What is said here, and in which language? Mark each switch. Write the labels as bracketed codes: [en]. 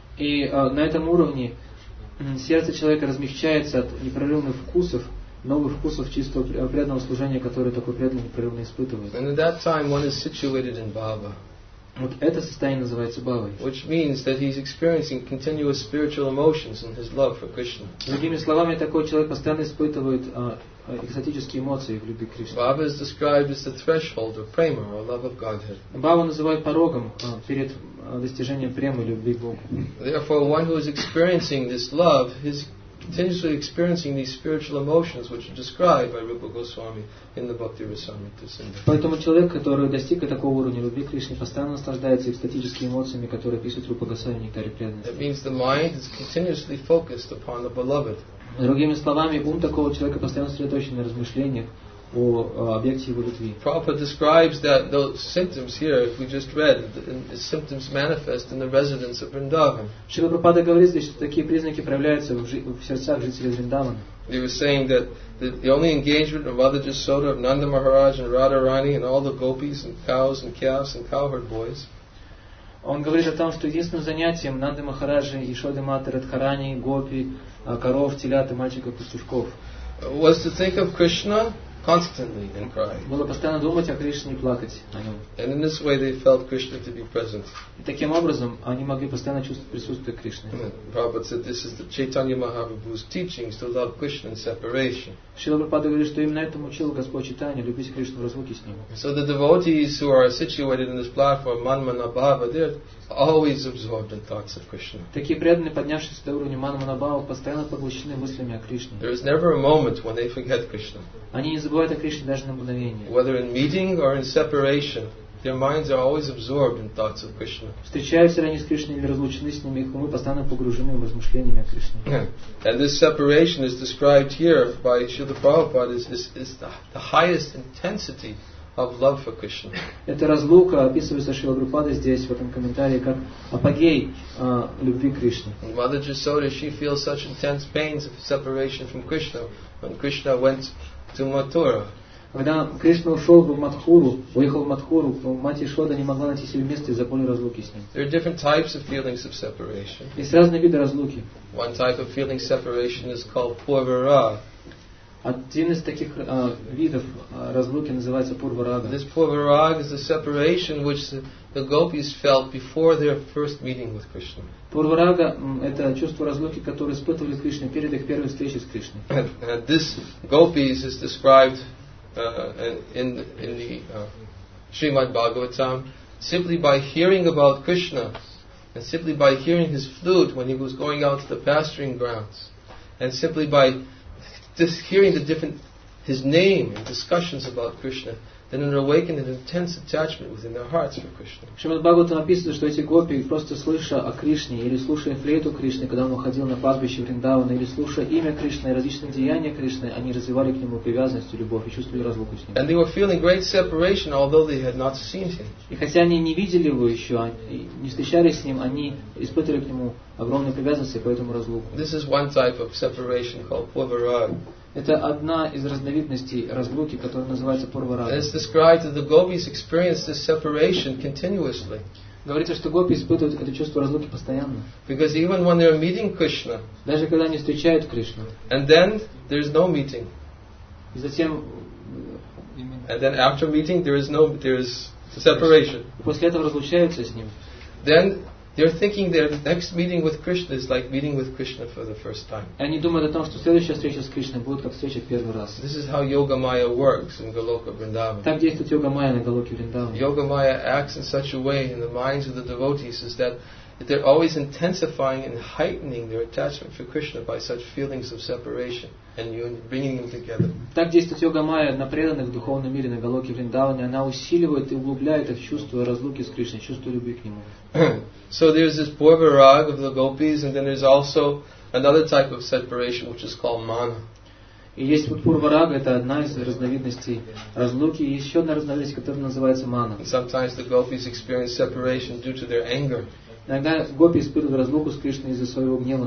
[ru] И на этом уровне сердце человека размягчается от непрерывных вкусов, новых вкусов чистого преданного служения, которое такой преданный непрерывно испытывает. [en] And at that time, one is situated in bhava. [ru] Вот это состояние называется бхавой. [en] Which means that he's experiencing continuous spiritual emotions in his love for Krishna. [ru] Другими словами, такой человек постоянно испытывает экзотические эмоции в любви к Кришне. [en] Bhava is described as the threshold of prema, or love of Godhead. [ru] Бхаву называют порогом перед достижением премы любви к Богу. [en] Therefore, one who is experiencing this love is continuously experiencing these spiritual emotions which are described by Rupa Goswami in the Bhakti Rasamrita Sindhu. [ru] Поэтому человек, который достиг такого уровня любви к Кришне, постоянно наслаждается экстатическими эмоциями, которые описывает Рупа Госвами в Нектаре преданности. [en] That means the mind is continuously focused upon the beloved. [ru] Другими словами, ум такого человека постоянно сосредоточен на размышлениях о объекте его любви. [en] Prabhupada describes that those symptoms here, if we just read, the symptoms manifest in the residents of Vrindavan. [ru] Шрила Прабхупада говорит здесь, что такие признаки проявляются в сердцах жителей Вриндавана. [en] He was saying that the only engagement of Mother Jasoda, of Nanda Maharaj, and Radharani, and all the gopis, and cows, and calves, and cowherd boys. [ru] Он говорит о том, что единственным занятием Нанды Махараджи, Ишоды Маты, Радхарани, гопи, коров, телят и мальчиков и пастушков [en] was to think of Krishna constantly and cry. [ru] Было постоянно думать о Кришне и плакать о нем. [en] And in this way they felt Krishna to be present. [ru] И таким образом они могли постоянно чувствовать присутствие Кришны. [en] Prabhupada said this is the Chaitanya Mahaprabhu's teachings to love Krishna in separation. [ru] Шрила Прабхупада говорит, что именно этому учил Господь Чайтанья любить Кришну в разлуке с ним. [en] So the devotees who are situated in this platform manmana bhava, they're always absorbed in thoughts of Krishna. [ru] Такие преданные, поднявшись до уровня манмана бхава, постоянно поглощены мыслями о Кришне. [en] There is never a moment when they forget Krishna. [ru] Они не забывают о Кришне даже на мгновение. [en] Whether in meeting or in separation, their minds are always absorbed in thoughts of Krishna. [ru] Встречаются ли они с Кришной или разлучены с ними, их умы постоянно погружены в размышления о Кришне. [en] And this separation is described here by Śrīla Prabhupāda as the highest intensity of love for Krishna. [ru] Эта разлука описывается Шрила Прабхупадой здесь в этом комментарии как апогей любви Кришны. [en] Mother Jasoda, she feels such intense pains of separation from Krishna when Krishna went to Mathura. [ru] Когда Кришна ушел в Матхуру, уехал в Матхуру, мать Ишода не могла найти себе места из-за боли разлуки с ним. [en] There are different types of feelings of separation. [ru] Есть разные виды разлуки. [en] One type of feeling separation is called Purvara. [ru] Один из таких видов разлуки называется Пурварага. [en] This Purvarag is the separation which the gopis felt before their first meeting with Krishna. [ru] Пурварага – это чувство разлуки, которое испытывали Кришна перед их первой встречей с Кришной. [en] This gopis is described in the Srimad Bhagavatam simply by hearing about Krishna and simply by hearing his flute when he was going out to the pasturing grounds and simply by just hearing the different his name and discussions about Krishna then it awakened an intense attachment within their hearts for Krishna. [ru] Srimad Bhagavatam описывает, что эти гопи, просто слыша о Кришне или слушая флейту Кришны, когда он выходил на пастбище Вриндавана, или слушая имя Кришны и различные деяния Кришны, они развивали к нему привязанность, любовь и чувствовали разлуку с ним. [en] And they were feeling great separation, although they had not seen him. [ru] И хотя они не видели его еще, не встречались с ним, они испытывали к нему огромную привязанность и поэтому разлуку. [en] This is one type of separation called Purvarag. [ru] Это одна из разновидностей разлуки, которая называется Пурварага. [en] It's described that the gopis experience this separation continuously. [ru] Говорится, что гопи испытывают это чувство разлуки постоянно. [en] Because even when they are meeting Krishna. [ru] Даже когда они встречают Кришну. [en] And then there is no meeting. [ru] И затем. [en] And then after meeting there is separation. [ru] После этого разлучаются с ним. [en] Then they're thinking their next meeting with Krishna is like meeting with Krishna for the first time. [ru] Они думают о том, что следующая встреча с Кришной будет как встреча первый раз. [en] This is how Yoga Maya works in Goloka Vrindavan. [ru] Так действует Йога Майя на Голоке Вриндаван. [en] Yoga Maya acts in such a way in the minds of the devotees is that they're always intensifying and heightening their attachment for Krishna by such feelings of separation and bringing them together. [ru] Так действует Йога Майя на преданных в духовном мире на Голоке Вриндаване. Она усиливает и углубляет это чувство разлуки с Кришной, чувство любви к нему. [en] So there's this Purvarag of the gopis, and then there's also another type of separation which is called mana. [ru] И есть вот Пурварага, это одна из разновидностей разлуки, и еще одна разновидность, которая называется мана. [en] Sometimes the gopis experience separation due to their anger. [ru] Иногда гопи испытывают разлуку с Кришной из-за своего гнева.